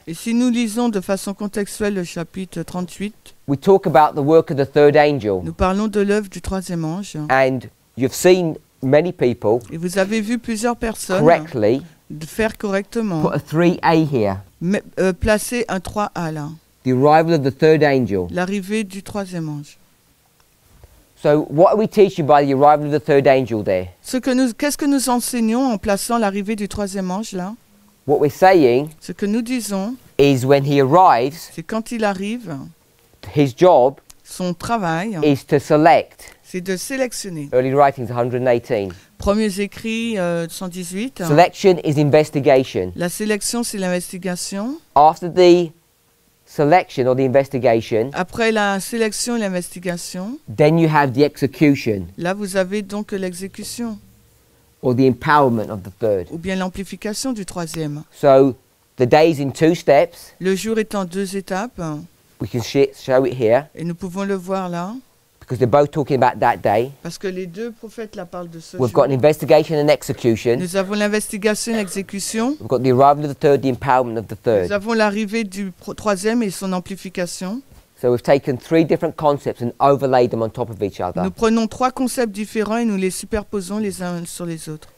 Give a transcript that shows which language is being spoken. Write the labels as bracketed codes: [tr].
[fr] Et si nous lisons de façon contextuelle le chapitre 38. [en] We talk about the work of the third angel. [fr] Nous parlons de l'œuvre du troisième ange. [en] And you've seen many people. [fr] Et vous avez vu plusieurs personnes. [en] Correctly. [fr] De faire correctement. [en] Put a 3A here. [fr] Placer un 3A là. [en] The arrival of the third angel. [fr] L'arrivée du troisième ange. [en] So what are we teaching by the arrival of the third angel there? [fr] Qu'est-ce que nous enseignons en plaçant l'arrivée du troisième ange là? [en] What we're saying, [fr] ce que nous disons, [en] is when he arrives. [fr] C'est quand il arrive. [en] His job. [fr] Son travail. [en] Is to select. [fr] C'est de sélectionner. [en] Early writings 118. [fr] Premiers écrits 118. [en] Selection is investigation. [fr] La sélection c'est l'investigation. [en] After the selection or the investigation. [fr] Après la sélection et l'investigation. [en] Then you have the execution. [fr] Là vous avez donc l'exécution. [en] Or the empowerment of the third. [fr] Ou bien l'amplification du troisième. [en] So the day is in two steps. [fr] Le jour est en deux étapes. [en] We can show it here. [fr] Et nous pouvons le voir là. [en] Because they're both talking about that day. [fr] Parce que les deux prophètes là parlent de ce [en] jour. We've got an investigation and execution. [fr] Nous avons l'investigation et l'exécution. [en] We've got the arrival of the third, the empowerment of the third. [fr] Nous avons l'arrivée du troisième et son amplification. [en] So we've taken three different concepts and overlaid them on top of each other. [fr] Nous prenons trois concepts différents et nous les superposons les uns sur les autres.